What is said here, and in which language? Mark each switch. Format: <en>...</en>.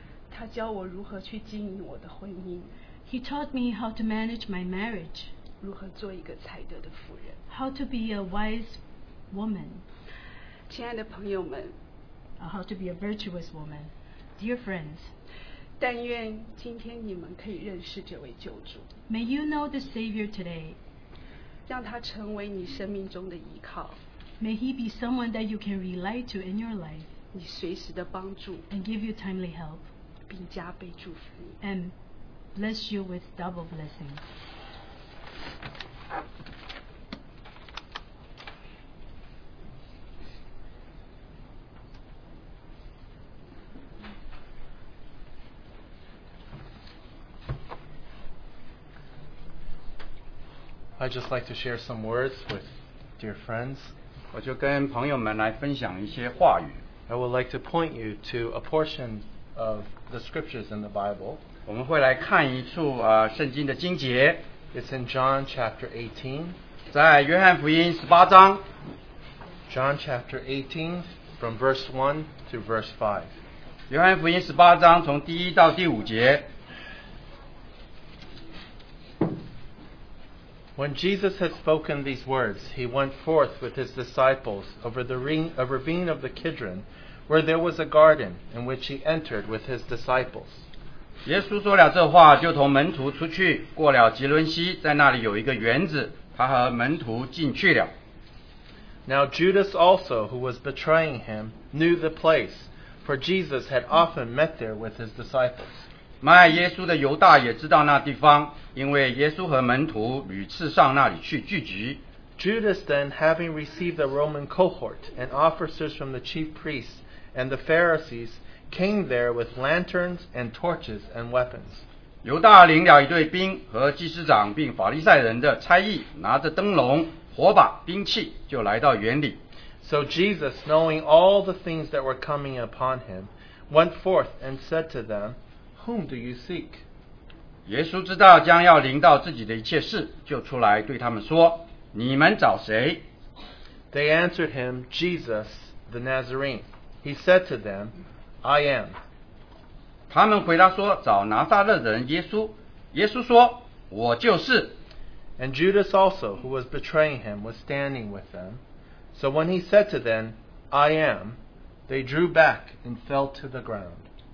<zh>他教我如何去经营我的婚姻。</zh> <en>He taught me how to manage my marriage.</en> <zh>如何做一个才德的妇人。</zh> <en>How to be a wise woman.</en> <zh>亲爱的朋友们。</zh> <en>How to be a virtuous woman. Dear friends.</en> <zh>但愿今天你们可以认识这位救主。</zh> <en>May you know the Savior today.</en> <zh>让他成为你生命中的依靠。</zh> <en>May he be someone that you can rely to in your life.</en> <zh>你随时的帮助。</zh> <en>And give you timely help.</en> <zh>并加倍祝福你</zh> <en>and bless you with double blessing. I'd just like to share some words with dear friends.</en> <zh>我就跟朋友们来分享一些话语。</zh> <en>I would like to point you to a portion of the scriptures in the Bible.</en> <zh>我们会来看一处圣经的经节。</zh> <en>It's in John chapter 18.</en> <zh>在约翰福音十八章。</zh> <en>John chapter 18, from verse 1 to verse 5.</en> <zh>约翰福音十八章从第一到第五节。</zh> <en>When Jesus had spoken these words, he went forth with his disciples over the ravine of the Kidron, where there was a garden in which he entered with his disciples.</en> <zh>耶稣说了这话，就同门徒出去，过了吉伦西，在那里有一个园子，他和门徒进去了。</zh> <en>Now Judas also, who was betraying him, knew the place, for Jesus had often met there with his disciples.</en> <zh>卖耶稣的犹大也知道那地方，因为耶稣和门徒屡次上那里去聚集。</zh> <en>Judas then, having received the Roman cohort and officers from the chief priests and the Pharisees, came there with lanterns and torches and weapons.</en> <zh>犹大领了一队兵和祭司长并法利赛人的差役，拿着灯笼、火把、兵器，就来到园里。</zh> <en>So Jesus, knowing all the things that were coming upon him, went forth and said to them, Whom do you seek?</en> <zh>耶稣知道将要临到自己的一切事，就出来对他们说，你们找谁？</zh> <en>They answered him, Jesus, the Nazarene. He said to them, I am.</en> <zh>他们回答说，找拿撒勒人耶稣。耶稣说，我就是。</zh> <en>And Judas also, who was betraying him, was standing with them. So when he said to them, I am, they drew back and fell to the ground.</en>